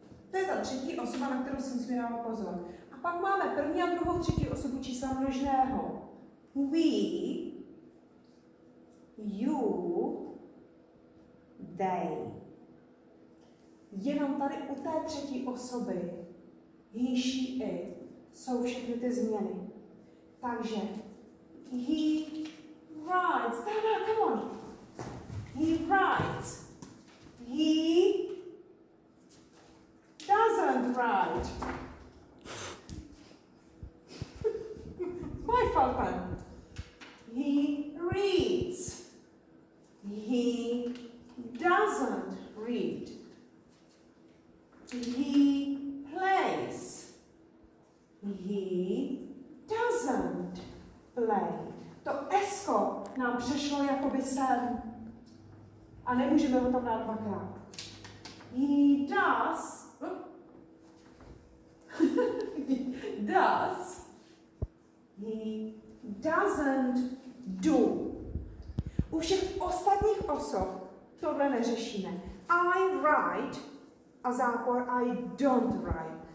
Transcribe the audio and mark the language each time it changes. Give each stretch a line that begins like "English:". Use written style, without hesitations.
Czech: To je ta třetí osoba, na kterou jsem si dávala pozor. A pak máme první a druhou třetí osobu čísla množného.
English: We, you, they.
Czech: Jenom tady u té třetí osoby,
English: he, she, it,
Czech: jsou všechny ty změny.
English: Takže, he writes, Dana, come on, he writes, he doesn't write, my fault, man. He reads, he doesn't read, he plays, he doesn't play.
Czech: To esko nám přešlo jakoby sem. A nemůžeme ho tam dát dvakrát.
English: He does. Does. He doesn't do.
Czech: U všech ostatních osob tohle neřešíme.
English: I write
Czech: a zápor
English: I don't write.